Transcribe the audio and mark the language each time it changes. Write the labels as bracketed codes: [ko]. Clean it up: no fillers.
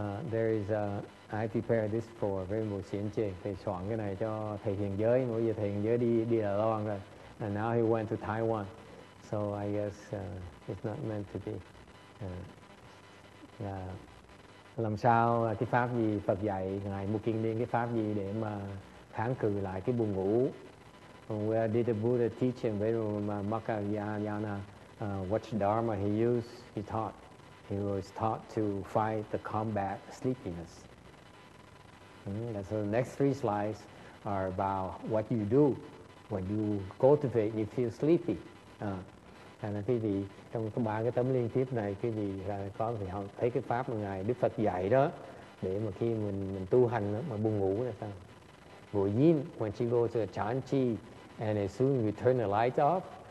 [en] There is I prepare this for Rainbow Xianjie. [vi] Thầy soạn cái này cho thầy Hiền Giới. Bây giờ thầy Hiền Giới đi Đài Loan rồi. [en] And now he went to Taiwan. So I guess it's not meant to be. [vi] Làm sao cái pháp gì Phật dạy ngài Mục Kiên Liên, cái pháp gì để mà kháng cự lại cái buồn ngủ? [en] Where did the Buddha teach him? Where Makayana, what dharma he used? He taught. He was taught to fight the combat sleepiness. So the next three slides are about what you do when you cultivate, you feel sleepy. [vi] Thành ra quý vị trong cái ba cái tấm liên tiếp này, quý vị có thể học thấy cái pháp mà ngài Đức Phật dạy đó, để mà khi mình tu hành đó, mà buồn ngủ là sao? Vừa nhìn, [en] when she goes to a chan chi, and as soon as you turn the light off,